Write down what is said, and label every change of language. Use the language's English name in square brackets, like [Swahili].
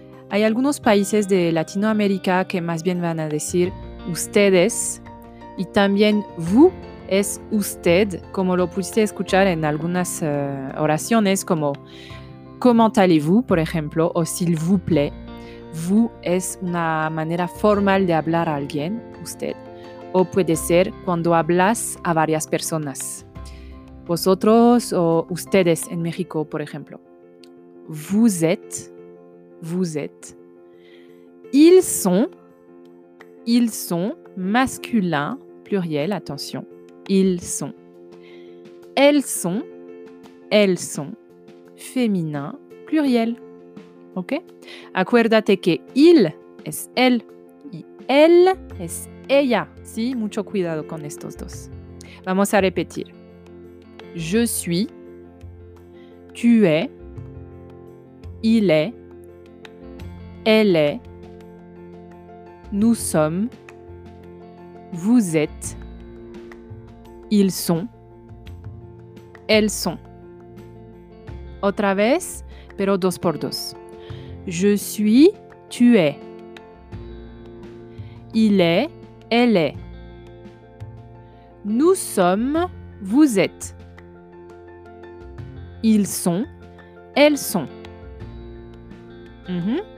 [Spanish] Hay algunos países de Latinoamérica que más bien van a decir ustedes y también vous es usted, como lo pudiste escuchar en algunas oraciones como [French] comment allez-vous, [Spanish] por ejemplo, o [French] s'il vous plaît. [Spanish] Vous es una manera formal de hablar a alguien, usted, o puede ser cuando hablas a varias personas, vosotros o ustedes en México, por ejemplo. [French] Vous êtes. Vous êtes. Ils sont masculin, pluriel, attention. Ils sont. Elles sont féminin, pluriel. [Spanish] Ok? Acuérdate que il es él y elle es ella. Sí, mucho cuidado con estos dos. Vamos a repetir. [French] Je suis. Tu es. Il est. Elle est, nous sommes, vous êtes, ils sont, elles sont. [Spanish] Otra vez, pero dos por dos. [French] Je suis, tu es. Il est, elle est. Nous sommes, vous êtes. Ils sont, elles sont. Mm-hmm.